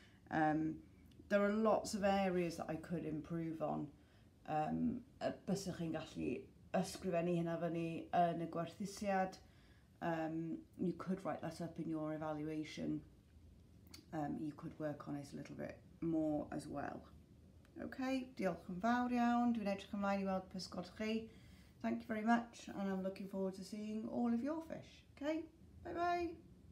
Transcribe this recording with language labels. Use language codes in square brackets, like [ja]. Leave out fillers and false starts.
[en] There are lots of areas that I could improve on. [cy] Bysych chi'n gallu ysgrifennu hynna fyny yn y gwerthusiad. [en] You could write that up in your evaluation. You could work on it a little bit more as well. [cy] Okay, diolch yn fawr iawn. Dwi'n edrych ymlaen I weld pysgod chi. [en] Thank you very much and I'm looking forward to seeing all of your fish. Okay, bye bye.